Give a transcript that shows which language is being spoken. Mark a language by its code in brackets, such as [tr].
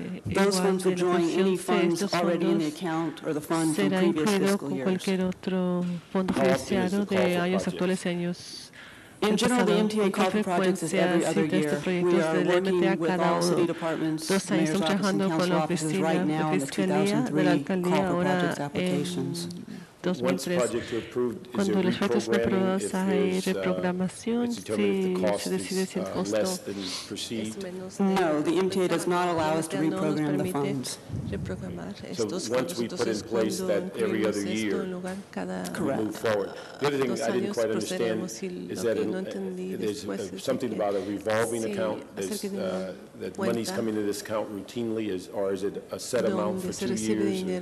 [en] Those funds will join any funds already in the account or the fund from previous fiscal years. In general, the MTA call for projects is every other year. We are working with all city departments, mayor's office, and council offices right now in the 2003 call for projects applications. 2013. [es] Cuando los fondos están aprobados, hay reprogramación si se decide si el costo es menos. [en] No, the MTA does not allow us to reprogram the funds. So once we put in place that every other year, move forward. The other thing I didn't quite understand is that there's something about a revolving account, that money's coming to this account routinely, or is it a set amount for 2 years?